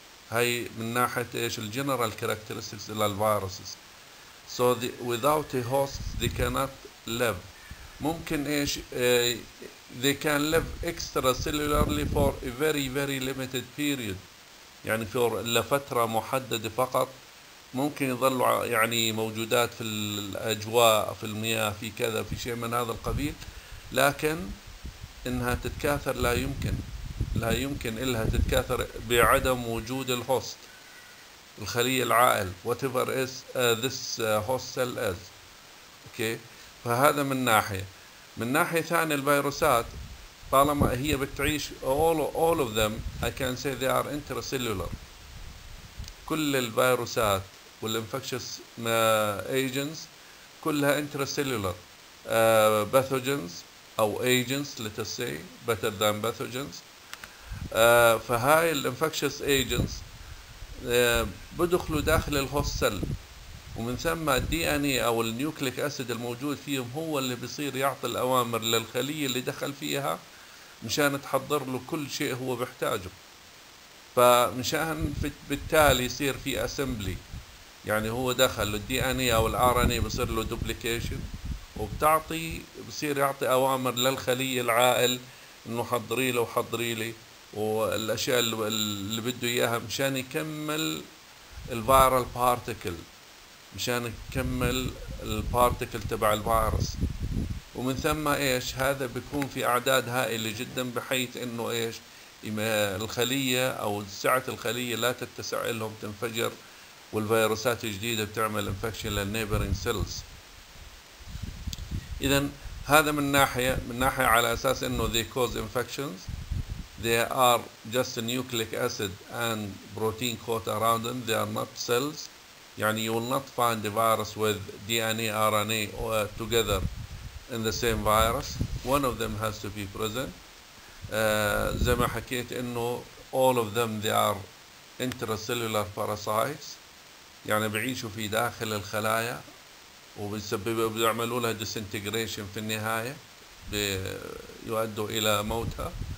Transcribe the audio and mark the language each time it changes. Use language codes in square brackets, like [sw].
[ar] هاي من ناحية إيش الجنرال كاركترستكس للفيروسز. [en] So without a host they cannot live. [ar] ممكن إيش [en] they can live extracellularly for a very limited period، [ar] يعني في لفترة محددة فقط ممكن يظلوا يعني موجودات في الأجواء، في المياه، في كذا، في شيء من هذا القبيل، لكن إنها تتكاثر لا يمكن إلها تتكاثر بعدم وجود الهوست، الخلية العائل، [en] whatever is this host cell is. [ar] Okay. فهذا من ناحية. من ناحية ثانية الفيروسات طالما هي بتعيش، [en] all of them I can say they are intracellular. [ar] كل الفيروسات [en] والinfectious agents كلها intracellular pathogens أو agents let us say better than pathogens. [ar] فهاي الinfectious agents بدخلوا داخل الهوست سيل، ومن ثم الدي ان اي او النيوكليك اسيد الموجود فيهم هو اللي بيصير يعطي الاوامر للخليه اللي دخل فيها مشان تحضر له كل شيء هو بيحتاجه. فمشان بالتالي يصير في اسمبلي، يعني هو دخل الدي ان اي او الار ان اي بيصير له دوبليكيشن، وبتعطي بصير يعطي اوامر للخليه العائل انه حضري له وحضري لي والاشياء اللي بده اياها مشان يكمل الفيرال بارتكل، مشان يكمل البارتكل تبع الفيروس. ومن ثم ايش هذا بيكون في اعداد هائله جدا، بحيث انه ايش الخليه او سعه الخليه لا تتسع لهم، تنفجر والفيروسات الجديده بتعمل انفكشن للنيبرينج سيلز. اذا هذا من ناحيه على اساس انه [en] they cause infections، they are just a nucleic acid and protein coat around them, they are not cells. يعني you will not find a virus with DNA, RNA together in the same virus. One of them has to be present. [ar] زي ما حكيت انه [en] all of them they are intracellular parasites، [ar] يعني بعيشوا في داخل الخلايا وبيعملوا لها disintegration في النهاية، بيؤدوا الى موتها.